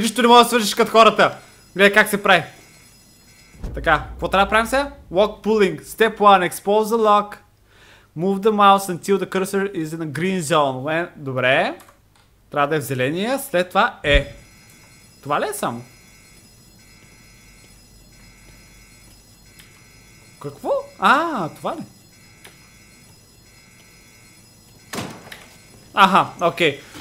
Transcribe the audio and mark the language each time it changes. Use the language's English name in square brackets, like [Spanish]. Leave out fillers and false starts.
[Bulgarian] Нищо не мога да свържиш като хората. Гледай как се прави. Така. Какво трябва да правим сега? [English] Lock pulling. Step 1. Expose the lock. Move the mouse until the cursor is in a green zone. When... Добре. [Bulgarian] Трябва да е в зеления, след това е. Това ли е само? Какво? А, това ли? Аха, окей. Okay.